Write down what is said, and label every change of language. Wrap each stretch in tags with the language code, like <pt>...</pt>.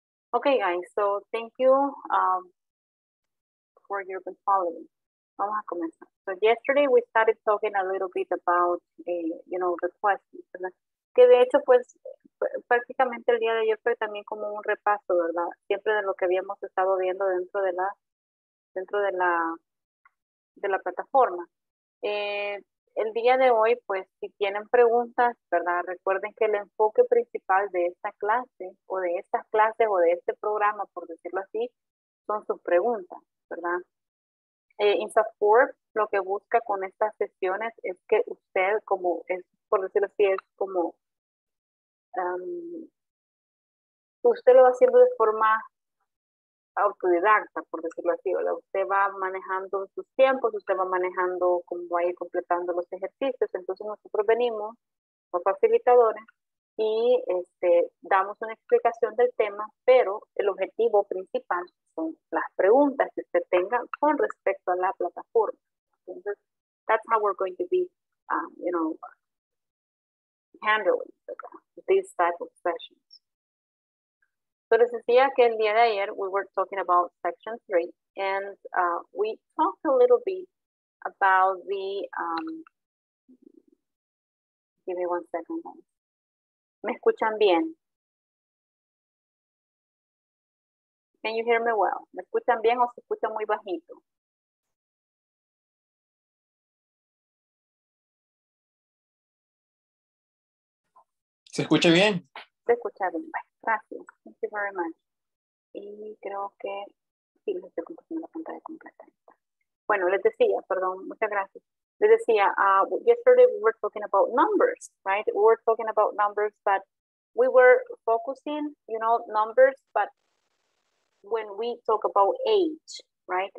<en>Okay, guys, so thank you for your mentality.</en> <es>Vamos a comenzar.</es> <en>So yesterday we started talking a little bit about, you know, the questions.</en> <es>¿Verdad? Que de hecho, pues, prácticamente el día de ayer fue también como un repaso, ¿verdad? Siempre de lo que habíamos estado viendo dentro de la plataforma. El día de hoy, pues, si tienen preguntas, ¿verdad? Recuerden que el enfoque principal de esta clase o de estas clases o de este programa, por decirlo así, son sus preguntas, ¿verdad? INSAFORP lo que busca con estas sesiones es que usted, como es, por decirlo así, es como usted lo va haciendo de forma autodidacta, por decirlo así, ¿verdad? Usted va manejando sus tiempos, usted va manejando cómo va a ir completando los ejercicios. Entonces nosotros venimos como facilitadores y damos una explicación del tema, pero el objetivo principal son las preguntas que usted tenga con respecto a la plataforma.</es> <en>Entonces, that's how we're going to be, you know, handling these type of sessions. So,</en> <es>les decía que el día de ayer,</es> <en>we were talking about section 3, and we talked a little bit about the, give me 1 second, guys.</en> <es>¿Me escuchan bien?</es> <en>Can you hear me well?</en> <es>¿Me escuchan bien o se escucha muy bajito? ¿Se escucha bien? Se escucha bien, bye. Gracias,</es> <en>thank you very much.</en> <es>Y creo que sí, les estoy compartiendo la pantalla completa. Bueno, les decía, perdón, muchas gracias. Les decía,</es> <en>yesterday we were talking about numbers, right? We were talking about numbers, but we were focusing, you know, numbers, but when we talk about age, right?</en>